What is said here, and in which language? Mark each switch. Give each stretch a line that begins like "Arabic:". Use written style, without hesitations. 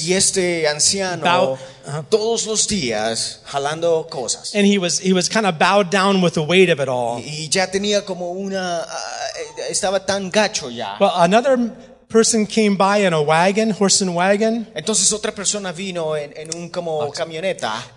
Spanish: Y este anciano todos los días jalando cosas.
English: And he was kind of bowed down with the weight of it all.
Spanish: Y ya tenía como una estaba tan gacho ya.
English: Well, another person came by in a wagon, horse and wagon.
Spanish: Entonces otra persona vino en un como camioneta.